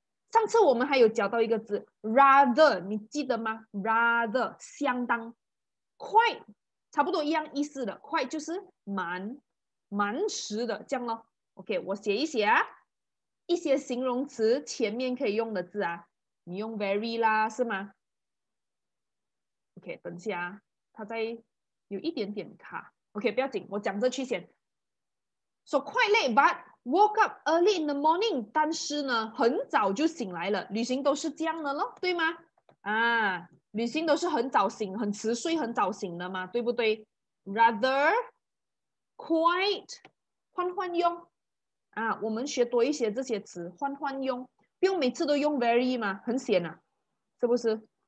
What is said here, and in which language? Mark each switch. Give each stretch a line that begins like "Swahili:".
Chinese: 上次我们还有讲到一个字 rather，你记得吗？rather 相当，quite 差不多一样意思的，quite 就是蛮实的这样咯。 OK，我写一写啊，一些形容词前面可以用的字啊，你用 very 啦，是吗？OK，等一下啊，它在有一点点卡。 OK，不要紧，我讲这句先。
English: So quite late, but woke up early in the morning。
Chinese: 但是呢，很早就醒来了。旅行都是这样的咯，对吗？旅行都是很早醒、很迟睡、很早醒的嘛，对不对？
English: Rather, quite，
Chinese: 换用。我们学多一些这些词，换用，不用每次都用 very 嘛，很显啊，是不是？